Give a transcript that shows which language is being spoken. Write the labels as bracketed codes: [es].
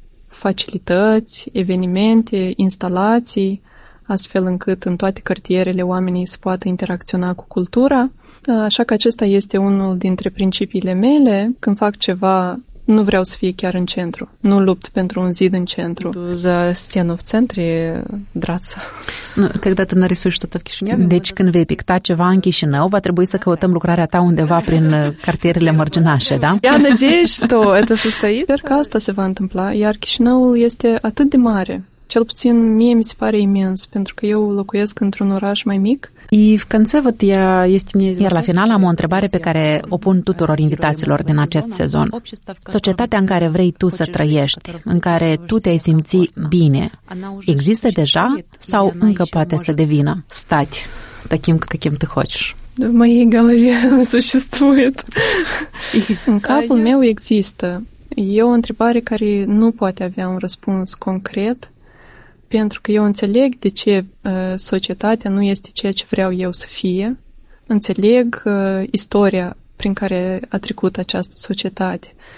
[ro] Facilități, evenimente, instalații, astfel încât în toate cartierele oamenii se poată interacționa cu cultura. Așa că acesta este unul dintre principiile mele. Când fac ceva, nu vreau să fie chiar în centru. Nu lupt pentru un zid în centru. [ru] За стену в центре драться. Когда ты нарисуешь что-то в Кишиневе? [ro] Deci când vei picta ceva în Chișinău, va trebui să căutăm lucrarea ta undeva prin cartierele mărginașe, da? [ru] Я надеюсь, что это состоится. [ro] Sper că asta se va întâmpla, iar Chișinăul este atât de mare. Cel puțin mie mi se pare imens, pentru că eu locuiesc într-un oraș mai mic. Iar la final am o întrebare pe care o pun tuturor invitaților din acest sezon. Societatea în care vrei tu să trăiești, în care tu te-ai simți bine, există deja sau încă poate să devină? Stați, [ru] таким, каким ты хочешь. В моей голове существует. [ro] În capul meu există. E o întrebare care nu poate avea un răspuns concret. Pentru că eu înțeleg de ce societatea nu este ceea ce vreau eu să fie. Înțeleg istoria prin care a trecut această societate.